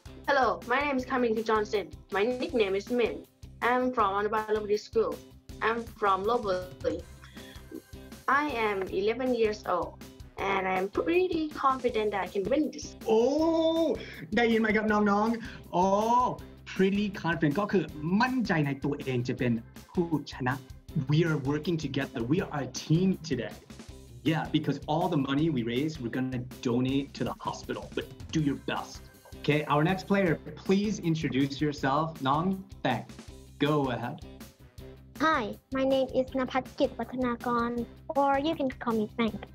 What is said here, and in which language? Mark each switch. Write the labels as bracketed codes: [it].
[en] Hello, my name is Kamini Johnson. My nickname is Min. I'm from Anabalabri School. I'm from Lobburi. I am 11 years old, and I'm pretty confident that I can win this. Oh! [th] ได้ยินไหมครับน้องๆ [en] Oh! Pretty confident. [th] ก็คือมั่นใจในตัวเองจะเป็นผู้ชนะ [en] We are working together. We are a team today. Yeah, because all the money we raise, we're going to donate to the hospital. But do your best. Okay, our next player, please introduce yourself. Nong Beng, go ahead. Hi, my name is Napatkit Watanakon, or you can call me Beng.